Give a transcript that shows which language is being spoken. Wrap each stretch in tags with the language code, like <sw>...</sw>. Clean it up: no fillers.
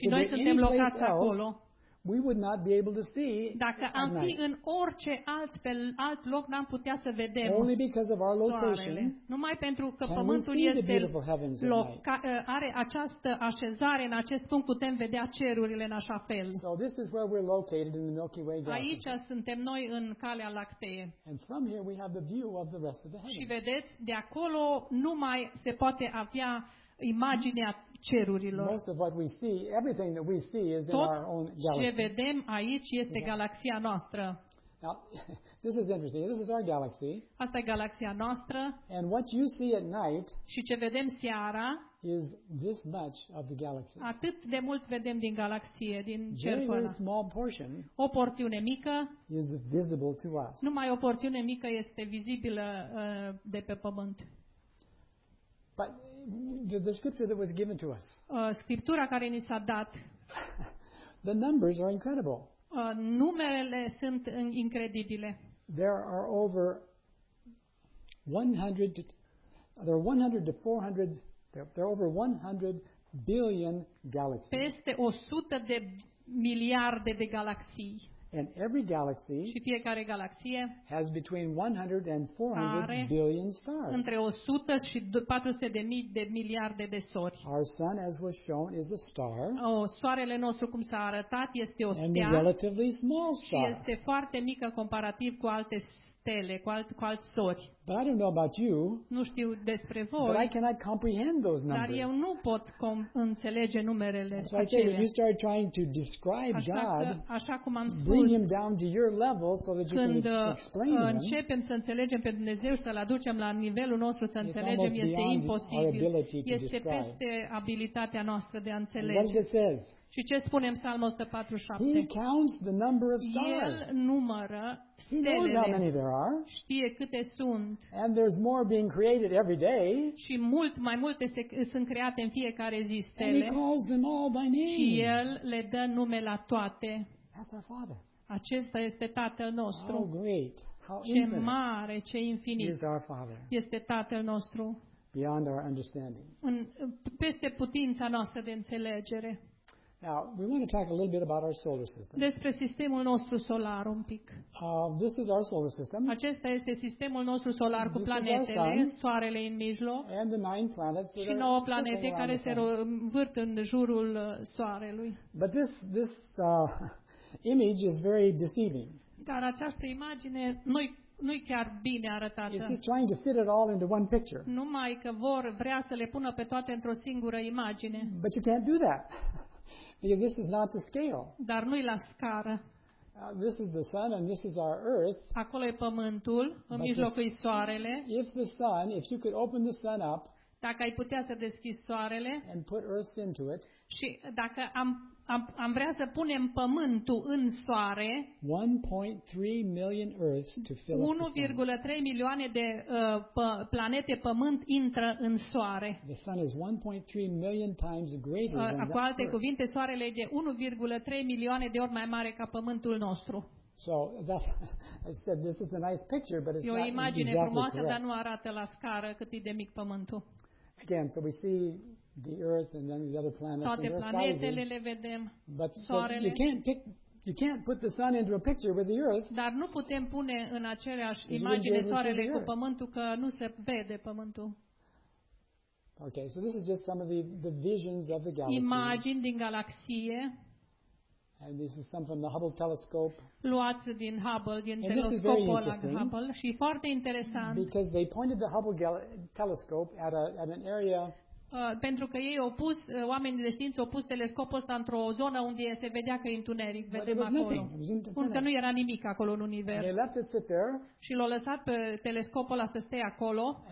<ro>și noi suntem locați acolo.</ro> <en>We would not be able to see.</en> <ro>Dacă am fi în orice alt loc, n-am putea să vedem.</ro> <en>Only because of our location.</en> <ro>Numai pentru că Pământul este are această așezare în acest punct, putem vedea cerurile în așa fel.</ro> <en>So this is where we're located in the Milky Way galaxy.</en> <ro>Aici suntem noi în Calea Lactee.</ro> <en>And from here we have the view of the rest of the heavens.</en> <ro>Și vedeți, de acolo nu mai se poate avea imaginea cerurilor.</ro> <en>Most of what we see, everything that we see is in our own galaxy.</en> <ro>Ce vedem aici este galaxia noastră.</ro> <en>Now, this is interesting. This is our galaxy.</en> <ro>Asta e galaxia noastră.</ro> <en>And what you see at night.</en> <ro>Și ce vedem seara.</ro> <en>Is this much of the galaxy.</en> <ro>Atât de mult vedem din galaxie, din cer.</ro> <en>Very small portion.</en> <ro>O porțiune mică.</ro> <en>Is visible to us.</en> <ro>Numai o porțiune mică este vizibilă de pe pământ.</ro> <en>But the scripture that was given to us.</en> <ro>Scriptura care ni s-a dat.</ro> <en>The numbers are incredible.</en> <ro>Numerele sunt incredibile.</ro> <en>There are over 100 billion galaxies.</en> <ro>Peste 100 de miliarde de galaxii.</ro> <en>And every galaxy</en> <ro>și fiecare galaxie</ro> <en>has between 100 and 400 billion stars.</en> <ro>Între 100 și 400 de mii de miliarde de sori.</ro> <en>Our sun, as was shown, is a star.</en> <ro>Soarele nostru, cum s-a arătat, este o stea.</ro> <en>And a relatively small star.</en> <ro>Și este foarte mică comparativ cu alte stele, cu alți sori.</ro> <en>But I don't know about you.</en> <ro>Nu știu despre voi.</ro> <en>But I cannot comprehend those numbers.</en> <ro>Dar eu nu pot înțelege numerele acelea.</ro> <en>So I tell you, you start trying to describe God.</en> <ro>Așa cum am spus.</ro> <en>Bring him down to your level so that you can explain him.</en> <ro>Când începem să înțelegem pe Dumnezeu, să-l aducem la nivelul nostru să înțelegem, este imposibil. Este peste abilitatea noastră de a înțelege.</ro> <en>What does it say?</en> <ro>Și ce spune în Psalmul 147?</ro> <en>He counts the number of stars.</en> <ro>El numără stelele.</ro> <en>He knows how many there are.</en> <ro>Știe câte sunt.</ro> <en>And there's more being created every day.</en> <ro>Și mult mai multe sunt create în fiecare zi stele.</ro> <en>And he calls them all by name.</en> <ro>Și el le dă nume la toate.</ro> <en>That's our Father.</en> <ro>Acesta este Tatăl nostru.</ro> <en>How great. How</en> <ro>ce mare, ce infinit.</ro> <en>Is our Father.</en> <ro>Este Tatăl nostru.</ro> <en>Beyond our understanding.</en> <ro>Peste putința noastră de înțelegere.</ro> <en>Now, we want to talk a little bit about our solar system.</en> <ro>Despre sistemul nostru solar un pic.</ro> <en>This is our solar system.</en> <ro>Acesta este sistemul nostru solar cu planetele, soarele în mijloc.</ro> <en>And the nine planets.</en> <ro>Și nouă planete care se învârt în jurul soarelui.</ro> <en>But this image is very deceiving.</en> <ro>Dar această imagine noi nu-i chiar bine arătată.</ro> <en>It's just trying to fit it all into one picture.</en> <ro>Numai că vrea să le pună pe toate într-o singură imagine.</ro> <en>But you can't do that. Because this is not the scale.</en> <ro>Dar nu-i la scară.</ro> <en>This is the sun and this is our earth.</en> <ro>Acolo e pământul, în mijlocul e soarele.</ro> <en>If the sun, if you could open the sun up,</en> <ro>dacă ai putea să deschizi soarele,</ro> <en>and put earth into it,</en> <ro>și dacă am vrea să punem pământul în soare,</ro> <en>1.3 million earths to fill</en> <ro>1.3 milioane de planete pământ intră în soare.</ro> <en>The sun is 1.3 million times greater than that.</en> <ro>Cu alte cuvinte, soarele e de 1.3 milioane de ori mai mare ca pământul nostru.</ro> <en>So that, I said this is a nice picture, but it's not exactly correct.</en> <ro>E o imagine frumoasă, dar nu arată la scară cât e de mic pământul.</ro> <en>Again, so we see the earth and then the other planets.</en> <ro>Toate planetele le vedem.</ro> <en>But</en> <ro>soarele.</ro> <en>You can't put the sun into a picture with the earth.</en> <ro>Dar nu putem pune în aceeași imagine soarele cu pământul, că nu se vede pământul.</ro> <en>Okay, so this is just some of the visions of the galaxy.</en> <ro>Imagini din galaxie.</ro> <en>And this is some from the Hubble telescope.</en> <ro>Luat din Hubble, din telescopul Hubble, și foarte interesant.</ro> <en>Because they pointed the Hubble telescope at an area.</en> <ro>Pentru că ei au pus, oamenii de știință au pus telescopul ăsta într-o zonă unde se vedea că e întuneric, vedem acolo. Încă nu era nimic acolo în univers. Și l-au lăsat pe telescopul ăla să stea acolo.</ro>